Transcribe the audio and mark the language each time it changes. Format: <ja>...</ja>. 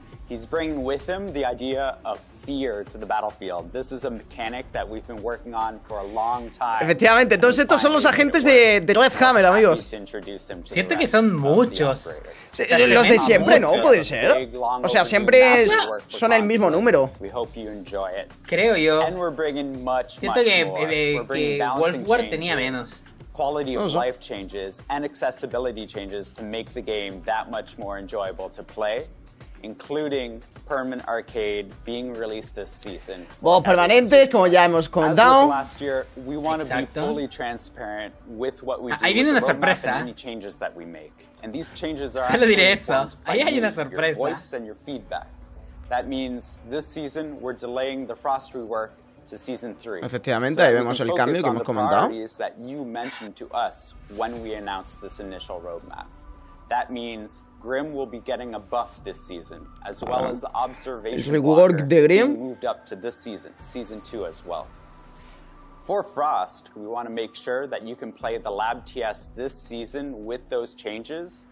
<en>He's bringing with him the idea of fear to the battlefield. This is a mechanic that we've been working on for a long time.</en> <es>Efectivamente, todos estos son los agentes de Red Hammer, amigos. Siento que son muchos. Los de siempre, ¿no? Puede ser. O sea, siempre son el mismo número. Creo yo. Siento que Wolfward tenía menos.</es> <en>Quality of life changes and accessibility changes to make the game that much more enjoyable to play. Including permanent arcade being released this season.</en> <es>Bueno, permanentes, como ya hemos comentado.</es> <en>Last year, we want to be fully transparent with what we do.</en> <es>Ahí viene una sorpresa.</es> <en>Any changes that we make. And these changes are.</en> <es>Se lo diré eso. Ahí hay una sorpresa.</es> <en>Your voice and your feedback. That means this season we're delaying the Frost rework. To season 3.</en> <es>Efectivamente, ahí vemos el cambio que hemos comentado.</es> <en>That you mentioned to us when we announced this initial roadmap. That means Grim will be getting a buff this season, as well as the observation</en> <es>rework de Grim</es> <en>moved up to this season, season 2 as well. For Frost, we want to make sure that you can play the lab TS this season with those changes.</en>